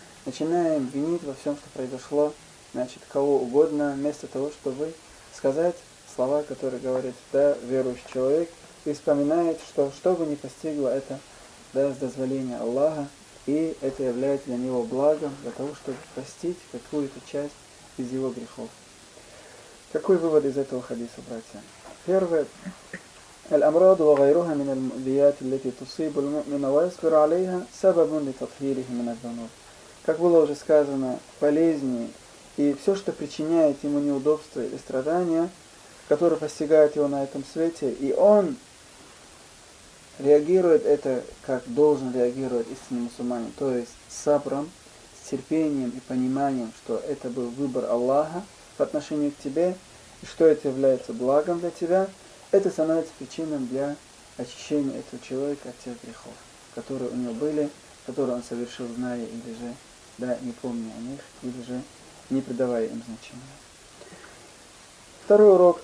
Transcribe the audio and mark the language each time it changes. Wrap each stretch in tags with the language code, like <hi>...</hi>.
<ru>Начинаем винить во всем, что произошло, значит, кого угодно, вместо того, чтобы сказать слова, которые говорит, да, верующий человек, и вспоминает, что что бы ни постигло это, да, с дозволения Аллаха, и это является для него благом, для того, чтобы простить какую-то часть из его грехов. Какой вывод из этого хадиса, братья? Первое.</ru> <ar>الأمراض وغيرها من المؤذيات التي تصيب المؤمن ويصبر عليها سبب لتطهيره من الذنوب.</ar> <ru>Как было уже сказано, болезни и все, что причиняет ему неудобства и страдания, которые постигают его на этом свете, и он реагирует это, как должен реагировать истинный мусульманин, то есть сабром, с терпением и пониманием, что это был выбор Аллаха по отношению к тебе, и что это является благом для тебя, это становится причиной для очищения этого человека от тех грехов, которые у него были, которые он совершил, зная или же, да, не помня о них, или же не придавая им значения. Второй урок.</ru>